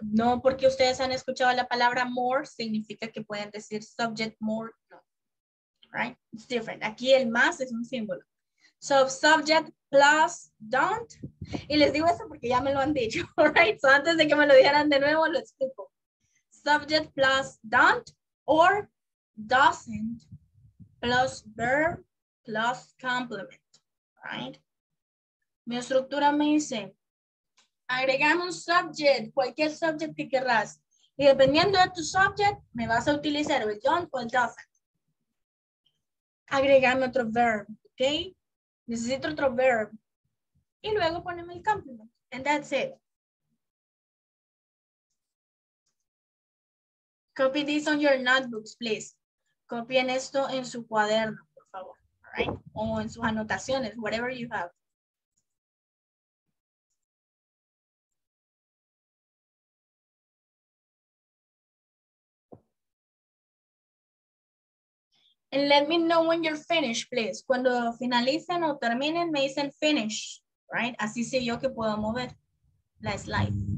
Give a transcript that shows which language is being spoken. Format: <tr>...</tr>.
<es>No porque ustedes han escuchado la palabra more, significa que pueden decir subject more. No. Right?</es> <en>It's different.</en> <es>Aquí el más es un símbolo.</es> <en>So, subject plus don't.</en> <es>Y les digo eso porque ya me lo han dicho, right? So, antes de que me lo dijeran de nuevo, lo explico.</es> <en>Subject plus don't or doesn't plus verb plus complement, right?</en> <es>Mi estructura me dice, agregame un subject, cualquier subject que querrás. Y dependiendo de tu subject, me vas a utilizar el don't o el doesn't. Agregame otro verb, okay? Necesito otro verb. Y luego poneme el complement.</es> <en>And that's it. Copy this on your notebooks, please.</en> <es>Copien esto en su cuaderno, por favor.</es> <en>All right?</en> <es>O en sus anotaciones,</es> <en>whatever you have. And let me know when you're finished, please.</en> <es>Cuando finalicen o terminen, me dicen finish, right? Así sé yo que puedo mover la slide.</es>